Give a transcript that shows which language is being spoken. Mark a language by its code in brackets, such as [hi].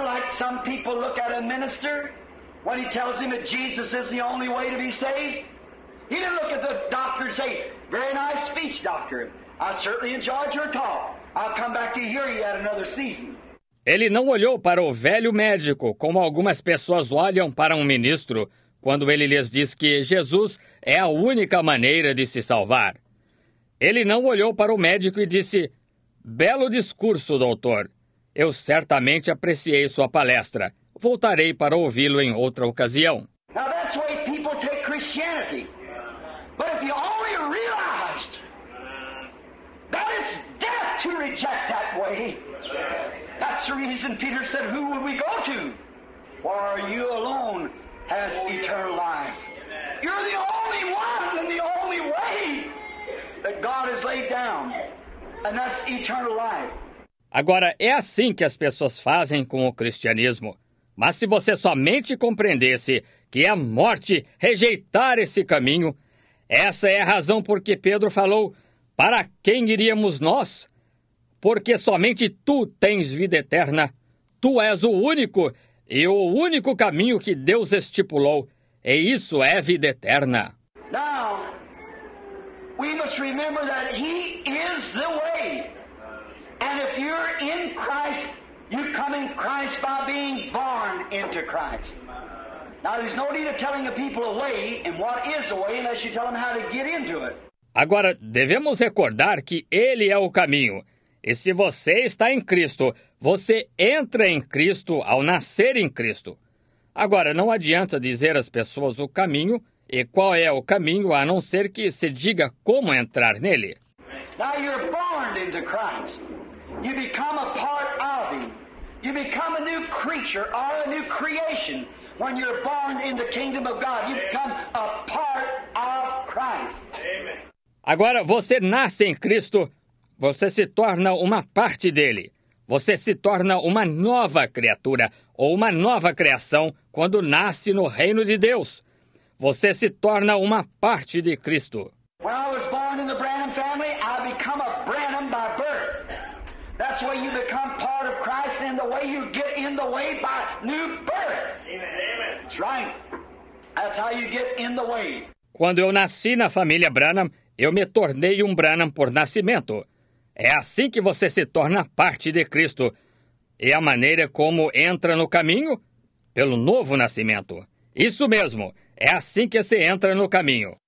[en] Some people look at a minister when he tells him that Jesus is the only way to be saved. He didn't look at the doctor and say, very nice speech, doctor. I certainly enjoyed your talk. I'll come back to hear you at another season. [pt] Ele não olhou para o velho médico como algumas pessoas olham para um ministro quando ele lhes diz que Jesus é a única maneira de se salvar. Ele não olhou para o médico e disse, belo discurso, doutor. Eu certamente apreciei sua palestra. Voltarei para ouvi-lo em outra ocasião. [en] Now that's why people take Christianity. But if you only realized that it's death to reject that way. That's the reason Peter said, who would we go to? For you alone has eternal life. You're the only one and the only way that God has laid down. And that's eternal life. [pt] Agora, é assim que as pessoas fazem com o cristianismo. Mas se você somente compreendesse que é a morte rejeitar esse caminho, essa é a razão por que Pedro falou, para quem iríamos nós? Porque somente tu tens vida eterna. Tu és o único e o único caminho que Deus estipulou. E isso é vida eterna. [en] Now, we must remember that He is the way. And if you're in Christ, you come in Christ by being born into Christ. Now, there's no need of telling the people a way and what is a way unless you tell them how to get into it. [pt] Agora, devemos recordar que Ele é o caminho. E se você está em Cristo, você entra em Cristo ao nascer em Cristo. Agora, não adianta dizer às pessoas o caminho e qual é o caminho, a não ser que se diga como entrar nele. [en] Now you're born into Christ. You become a part of Him. You become a new creature or a new creation when you're born in the kingdom of God. You become a part of Christ. [pt] Agora, você nasce em Cristo, você se torna uma parte dele. Você se torna uma nova criatura ou uma nova criação quando nasce no reino de Deus. Você se torna uma parte de Cristo. [en] When I was born in the Branham family, I become a Branham by birth. That's the way you become part of Christ and the way you get in the way by new birth. Amen. That's right. That's how you get in the way. [pt] Quando eu nasci na família Branham, eu me tornei um Branham por nascimento. É assim que você se torna parte de Cristo. E a maneira como entra no caminho? Pelo novo nascimento. Isso mesmo. É assim que se entra no caminho.